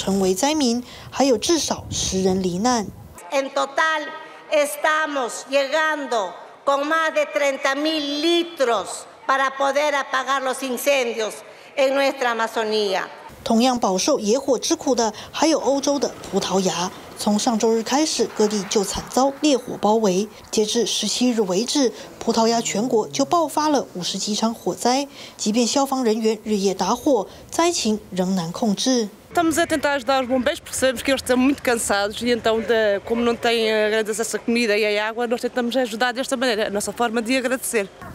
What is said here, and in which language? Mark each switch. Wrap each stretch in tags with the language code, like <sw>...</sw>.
<zh>全国24个地区有22个区域都爆发森林大火，将近2000人因此成为灾民，还有至少10人罹难。</zh> <es>En total estamos llegando con más de 30.000 litros para poder apagar los incendios en nuestra Amazonía.</es> <zh>同样饱受野火之苦的还有欧洲的葡萄牙。从上周日开始，各地就惨遭烈火包围。截至17日为止，葡萄牙全国就爆发了50几场火灾。即便消防人员日夜打火，灾情仍难控制。</zh> <pt>Estamos a tentar ajudar os bombeiros, percebemos que eles estão muito cansados e então, como não têm grande acesso à comida e à água, nós tentamos ajudar desta maneira, a nossa forma de agradecer.</pt>